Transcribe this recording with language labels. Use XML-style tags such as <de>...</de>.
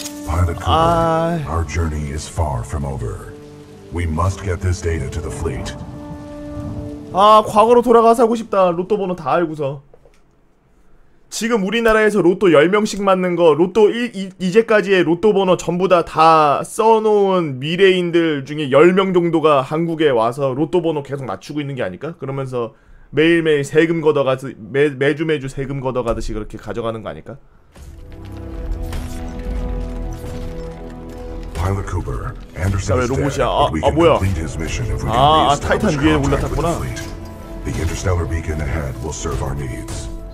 <en>Pilot Cooper, our journey is far from over. We must get this data to the fleet.</en> <ko>아 과거로 돌아가서 하고 싶다. 로또 번호 다 알고서. 지금 우리나라에서 로또 10명씩 맞는 거 로또 이제까지의 로또 번호 전부 다 써놓은 미래인들 중에 10명 정도가 한국에 와서 로또 번호 계속 맞추고 있는 게 아닐까? 그러면서 매일매일 세금 걷어가듯이 매주 세금 걷어가듯이 그렇게 가져가는 거 아닐까?</ko> <en>Pilot Cooper, Anderson.</en> <ko>왜 로봇이야? 아 뭐야? 아 타이탄 위에 올라탔구나.</ko> <en>The interstellar beacon ahead will serve our needs.</en>